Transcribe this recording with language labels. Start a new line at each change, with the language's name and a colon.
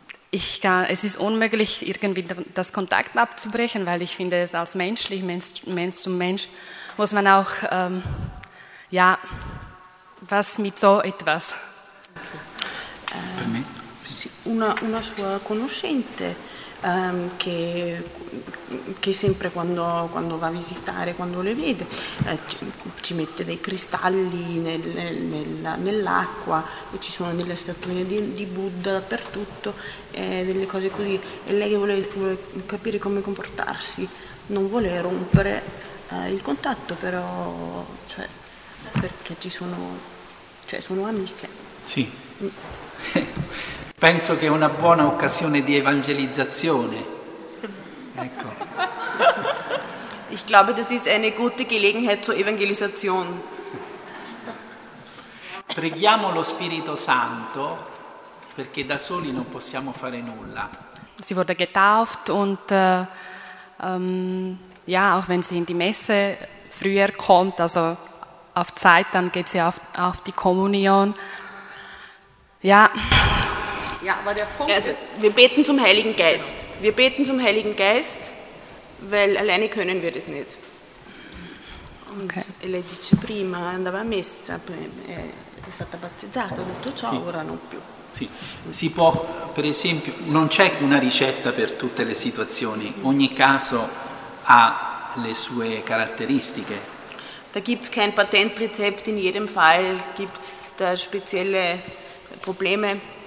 German: Es ist unmöglich, irgendwie das Kontakt abzubrechen, weil ich finde es als menschlich, Mensch zu Mensch, muss man auch, ja, was mit so etwas.
Italian: Una sua conoscente che sempre quando va a visitare, quando le vede, ci mette dei cristalli nell'acqua e ci sono delle statuine di Buddha dappertutto, delle cose così, e lei vuole capire come comportarsi, non vuole rompere il contatto, però cioè, perché ci sono, cioè, sono amiche. Sì. Penso che è una buona occasione di evangelizzazione. Ecco.
German: Ich glaube, das ist eine gute Gelegenheit zur Evangelisation.
Italian: Preghiamo lo Spirito Santo, perché da soli non possiamo fare nulla.
German: Sie wurde getauft und ja, auch wenn sie in die Messe früher kommt, also auf Zeit, dann geht sie auf die Kommunion. Ja. Ja, aber der Punkt ist, wir beten zum Heiligen Geist. Genau. Wir beten zum Heiligen Geist, weil alleine können wir das nicht.
English: Okay.
Italian: E lei dice prima andava a messa, è stata battezzata, tutto ciò, sì. Ora non più. Sì. Si può, per esempio, non c'è una ricetta per tutte le situazioni. Ogni caso ha le sue caratteristiche.
German: Da gibt's kein Patentrezept, in jedem Fall gibt's da spezielle Probleme.